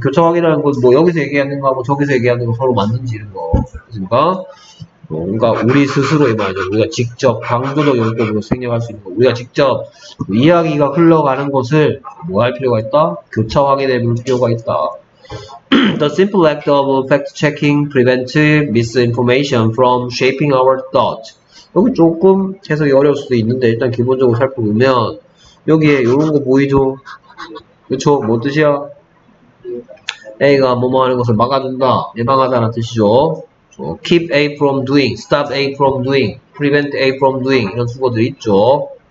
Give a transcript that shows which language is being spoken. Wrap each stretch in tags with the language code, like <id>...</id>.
<ko>교차 확인이라는 건뭐 여기서 얘기하는 거하고 저기서 얘기하는 거 서로 맞는지 이런 거. 그러니까 뭔가 우리 스스로의 말이죠. 우리가 직접 강조적 용법으로 생략할 수 있는 거. 우리가 직접 이야기가 흘러가는 것을 뭐할 필요가 있다? 교차 확인해 볼 필요가 있다.</ko> <en>The simple act of fact checking prevents misinformation from shaping our thought.</en> <ko>여기 조금 해석이 어려울 수도 있는데 일단 기본적으로 살펴보면 여기에 요런 거 보이죠? 그쵸? 뭐 뜻이야? A가 뭐뭐 하는 것을 막아준다, 예방하다는 뜻이죠.</ko> <en>Keep A from doing, stop A from doing, prevent A from doing</en> <ko>이런 수거들이 있죠.</ko>